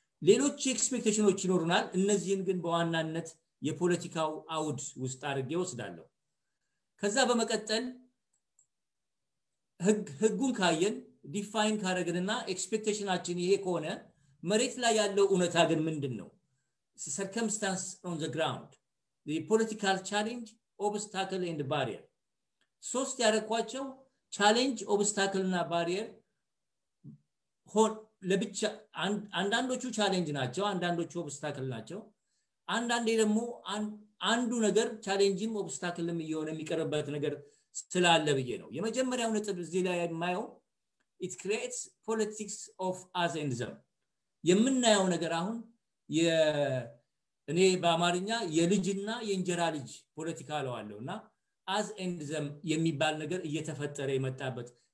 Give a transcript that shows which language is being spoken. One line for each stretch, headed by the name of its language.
Amharic: ሌሎች ኤክስፔክቴሽኖች ይኖርናል። እነዚህን ግን በዋናነት የፖለቲካው አውድ ውስጥ አድርጌ ወስዳለሁ። ከዛ በመቀጠል ህጉን ካየን ዲፋይን ካረግንና ኤክስፔክቴሽናችን ይሄ ከሆነ መሬት ላይ ያለው ሁኔታ ግን ምንድነው?
English: circumstances on the ground, the political challenge, obstacle and barrier.
Amharic: ሶስት ያረኳቸው challenge, obstacle እና barrier ሆን ለብቻ አንዳንዶቹ challenge ናቸው፣ አንዳንዶቹ obstacle ናቸው። አንዳንዴ ደግሞ አንዱ ነገር challengeም obstacleም የሆነ የሚቀርበት ነገር ስላለ ብዬ ነው። የመጀመሪያው ነጥብ እዚህ ላይ የማየው
English: it creates politics of us and them።
Amharic: የምናየው ነገር አሁን የኔ በአማርኛ የልጅና የእንጀራ ልጅ ፖለቲካ አለውና
English: as and them
Amharic: የሚባል ነገር እየተፈጠረ የመጣበት